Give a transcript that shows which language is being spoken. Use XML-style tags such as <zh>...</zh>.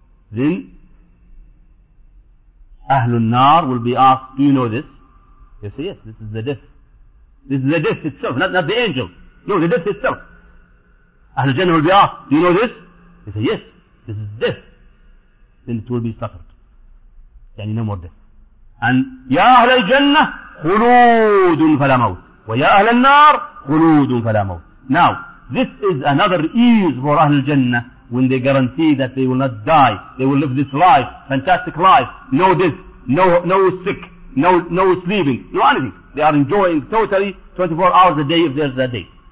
<en>Then Ahl al-Nar will be asked, do you know this? They say, yes, this is the death. This is the death itself, not the angel. No, the death itself. Ahl al-Jannah will be asked, do you know this? They say, yes, this is death. Then it will be suffered. Yani no more death.</en> <ar>أن يا أهل الجنة خلود فلا موت ويا أهل النار خلود فلا موت.</ar> <en>Now this is another ease for أهل الجنة when they guarantee that they will not die, they will live this life, fantastic life, no death, no sick, no sleeping, no anything. They are enjoying totally 24 hours a day if there's a day.</en>